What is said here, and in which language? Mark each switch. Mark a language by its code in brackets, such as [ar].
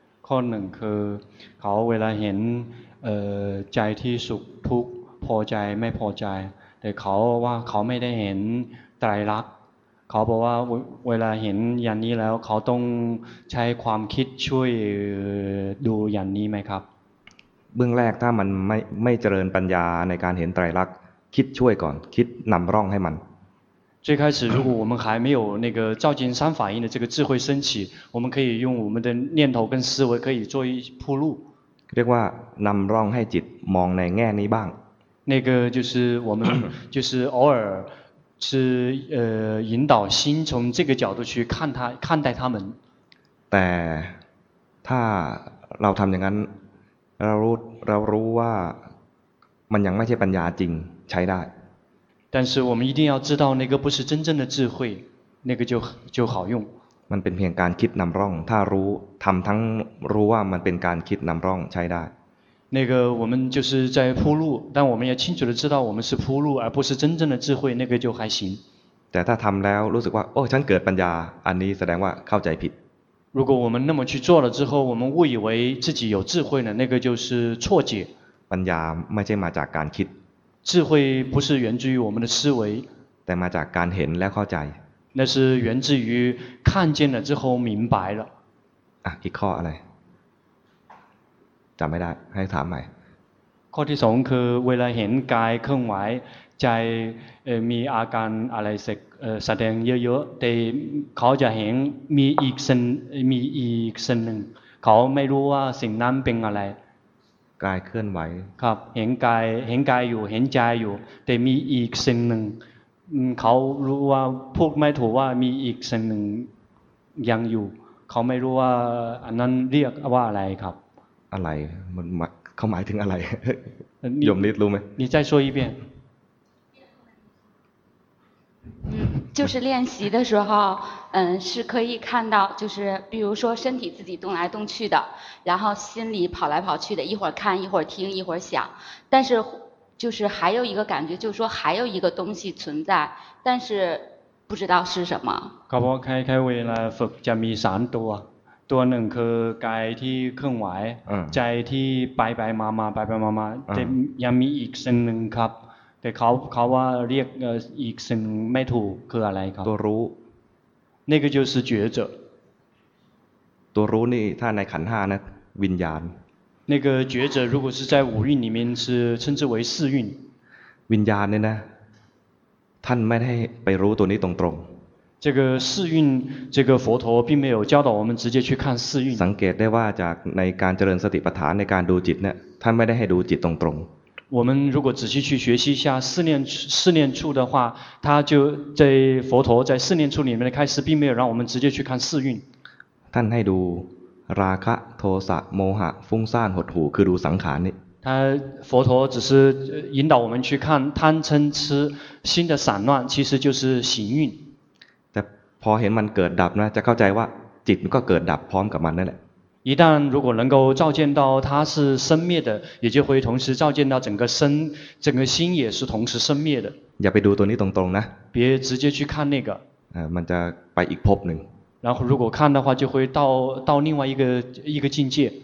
[th] ข้อหนึ่งคือเขาเวลาเห็นใจที่สุขทุกข์พอใจไม่พอใจแต่เขาว่าเขาไม่ได้เห็นไตรลักษณ์เขาบอกว่าเวลาเห็นอย่างนี้แล้วเขาต้องใช้ความคิดช่วยดูอย่างนี้ไหมครับ เบื้องแรกถ้ามันไม่เจริญปัญญาในการเห็นไตรลักษณ์คิดช่วยก่อนคิดนำร่องให้มัน [zh] 最开始，如果我们还没有那个照见三法印的这个智慧升起，我们可以用我们的念头跟思维可以做一铺路。 [th] เรียกว่านำร่องให้จิตมองในแง่นี้บ้าง。 [zh] 那个就是我们就是偶尔是引导心从这个角度去看他看待他们。 [th] แต่ถ้าเราทำอย่างนั้นเรารู้ว่ามันยังไม่ใช่ปัญญาจริงใช้ได้ [zh] 但是我们一定要知道那个不是真正的智慧，那个就好用。 [th] มันเป็นเพียงการคิดนำร่อง，ถ้ารู้ทำทั้งรู้ว่ามันเป็นการคิดนำร่องใช้ได้。 [zh] 那个我们就是在铺路，但我们要清楚的知道我们是铺路，而不是真正的智慧，那个就还行。 [th] แต่ถ้าทำแล้วรู้สึกว่าโอ้ฉันเกิดปัญญาอันนี้แสดงว่าเข้าใจผิด。 [zh] 如果我们那么去做了之后，我们误以为自己有智慧呢，那个就是错解。 [th] ปัญญาไม่ใช่มาจากการคิด [zh] 智慧不是源自于我们的思维， [th] แต่มาจากการเห็นและเข้าใจ。 [zh] 那是源自于看见了之后明白了。 [th] อีกข้ออะไรจำไม่ได้ให้ถามใหม่。 ข้อที่สองคือเวลาเห็นกายเคลื่อนไหวใจมีอาการอะไรสักแสดงเยอะๆแต่เขาจะเห็นมีอีกสิ่งหนึ่งเขาไม่รู้ว่าสิ่งนั้นเป็นอะไร กายเคลื่อนไหว ครับเห็นกายอยู่เห็นใจอยู่แต่มีอีกสิ่งหนึ่งเขารู้ว่าพูดไม่ถูกว่ามีอีกสิ่งหนึ่งยังอยู่เขาไม่รู้ว่าอันนั้นเรียกว่าอะไรครับ อะไรมันเขาหมายถึงอะไรโยมนิดรู้ไหม [zh] 你再说一遍就是练习的时候是可以看到就是比如说身体自己动来动去的然后心里跑来跑去的一会儿看一会儿听一会儿想但是就是还有一个感觉，就是说还有一个东西存在，但是不知道是什么。 [th] ครับ คล้ายๆเวลาฝึกจะมีสามตัว ตัวหนึ่งคือกายที่เคลื่อนไหว ใจที่ไปไปมามาไปไปมามา แต่ยังมีอีกสิ่งหนึ่งครับ แต่เขาว่าเรียกอีกสิ่งไม่ถูกคืออะไรครับ ตัวรู้ [zh] 那个就是觉者 [th] ตัวรู้นี่ถ้าในขันธ์ห้านะวิญญาณ [zh] 那个觉者如果是在五蕴里面是称之为四蕴 [th] วิญญาณเนี่ยนะท่านไม่ได้ไปรู้ตัวนี้ตรง [zh] ๆ这个四蕴这个佛陀并没有教导我们直接去看四蕴 [th] สังเกตได้ว่าจากในการเจริญสติปัฏฐานในการดูจิตเนี่ยท่านไม่ได้ให้ดูจิตตรง [zh] ๆ我们如果仔细去学习一下四念处的话他就在佛陀在四念处里面的开始并没有让我们直接去看四蕴 [th] ท่านให้ดูราคะโทสะโมหะฟุ้งซ่านหดหู่คือดูสังขารนี่ [zh] 他佛陀只是引导我们去看贪嗔痴心的散乱其实就是行运 [th] แต่พอเห็นมันเกิดดับนะจะเข้าใจว่าจิตก็เกิดดับพร้อมกับมันนั่นแหละ [zh] 一旦如果能够照见到它是生灭的也就会同时照见到整个身整个心也是同时生灭的 [th] อย่าไปดูตัวนี้ตรงๆนะ [zh] 别直接去看那个 [th] มันจะไปอีกภพหนึ่ง แล้วถ้าดูคันนะว่าจะ [zh] 回到到另外一个境界